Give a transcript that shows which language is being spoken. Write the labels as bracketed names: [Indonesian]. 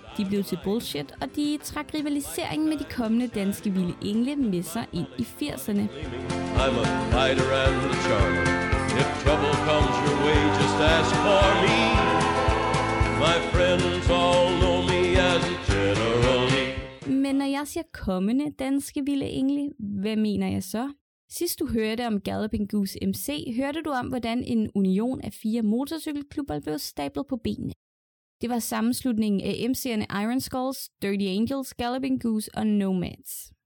[Danish] De blev til Bullshit, og de trak rivaliseringen med de kommende danske Vilde Engle med sig ind i 80'erne. [English] I'm a fighter and a charmer. If trouble comes your way, just ask for me. My friends all know me as a general. [Danish] Men når jeg siger kommende danske Vilde Engle, hvad mener jeg så? Sidst du hørte om Galloping Goose MC, hørte du om, hvordan en union af fire motorcykelklubber blev stablet på benene. Det var sammenslutningen af MC'erne Iron Skulls, Dirty Angels, Galloping Goose og Nomads.